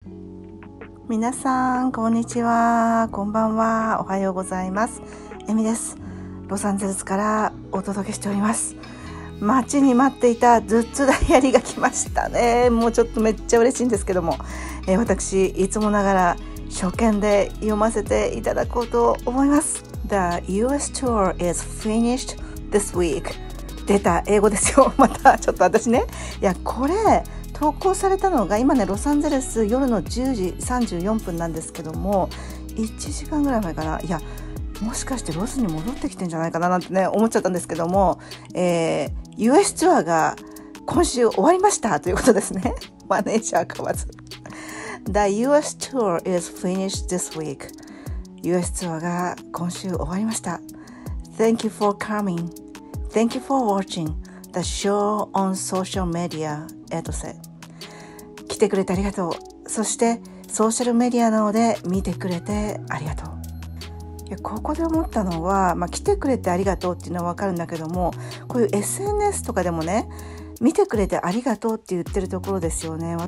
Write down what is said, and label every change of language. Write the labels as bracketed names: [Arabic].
[Japanese] 皆さん、こんにちは、こんばんは、おはようございます。エミです。ロサンゼルスからお届けしております。待ちに待っていた頭痛ダイアリーが来ましたね。もうちょっとめっちゃ嬉しいんですけども、私いつもながら初見で読ませていただこうと思います。 [English] The US tour is finished this week。 [Japanese] 出た英語ですよ。またちょっと私ね、いやこれ投稿されたのが今ね、ロサンゼルス夜の10時34分なんですけども、1時間ぐらい前かな。いやもしかしてロスに戻ってきてんじゃないかななんてね思っちゃったんですけども、US ツアーが今週終わりましたということですね。マネージャー買わず [English] The US tour is finished this week。 [Japanese] US ツアーが今週終わりました。 [English] Thank you for coming. Thank you for watching the show on social media etc. [Japanese] 来てくれてありがとう。そしてソーシャルメディアなどで見てくれてありがとう。いやここで思ったのは、まあ、来てくれてありがとうっていうのは分かるんだけども、こういう SNS とかでもね、見てくれてありがとうって言ってるところですよね。